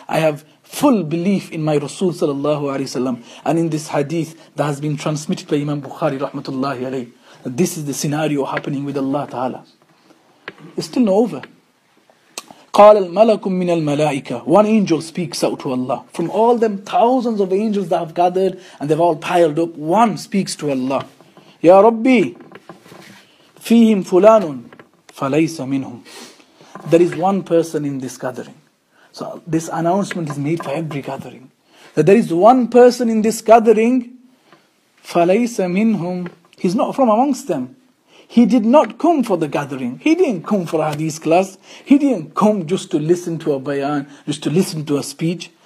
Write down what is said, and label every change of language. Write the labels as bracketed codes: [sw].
[en] I have full belief in my Rasul sallallahu alayhi wa sallam and in this hadith that has been transmitted by Imam Bukhari rahmatullahi alayhi. This is the scenario happening with Allah Ta'ala. It's still not over. [ar] قال الملك من الملائكة. [en] One angel speaks out to Allah. From all them thousands of angels that have gathered and they've all piled up, one speaks to Allah. [ar] يا ربي فيهم فلان فليس منهم. [en] There is one person in this gathering. So this announcement is made for every gathering. That there is one person in this gathering. [ar] فليس منهم. [en] He's not from amongst them. He did not come for the gathering. He didn't come for a hadith class. He didn't come just to listen to a bayan, just to listen to a speech.